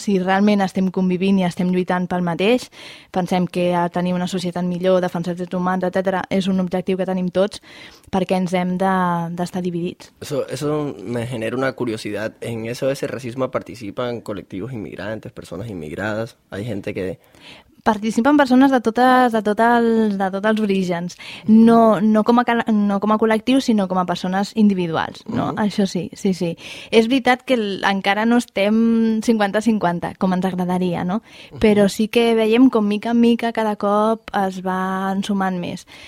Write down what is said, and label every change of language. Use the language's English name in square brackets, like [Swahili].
[Catalan] Si realment estem convivint i estem lluitant pel mateix, pensem que tenir una societat millor, defensar drets humans, etc., és un objectiu que tenim tots, perquè ens hem d'estar dividits. [Spanish] Eso me genera una curiosidad. ¿En eso ese racismo participan colectivos inmigrantes, personas inmigradas? ¿Hay gente que...? [Catalan] Participen persones de tots els orígens. No com a col·lectiu, sinó com a persones individuals, no? Uh-huh. Això sí, sí, sí. És veritat que encara no estem 50-50, com ens agradaria, no? Uh-huh. Però sí que veiem com mica en mica cada cop es va sumant més.